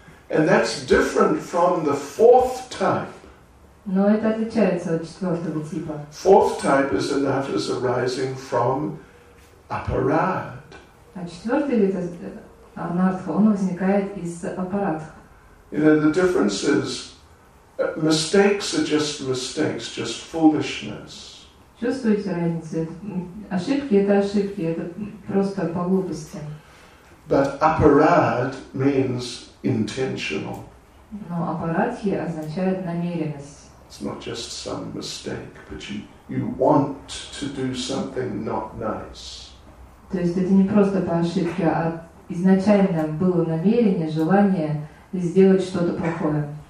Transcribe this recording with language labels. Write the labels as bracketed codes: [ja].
[en] And that's different from the fourth type. [ru] Но это отличается от четвертого типа. [en] Fourth type is an effort arising from aparad. [ru] А четвертый вид анартха, он возникает из апарадха. [en] You know, the difference is mistakes, just foolishness. [ru] Чувствуете разницу? Ошибки — это ошибки, это просто по глупости. [en] But aparad means intentional. [ru] Но апарадхи означает намеренность. [en] It's not just some mistake, but you want to do something not nice. [ru] То есть это не просто по ошибке, а изначально было намерение, желание сделать что-то плохое.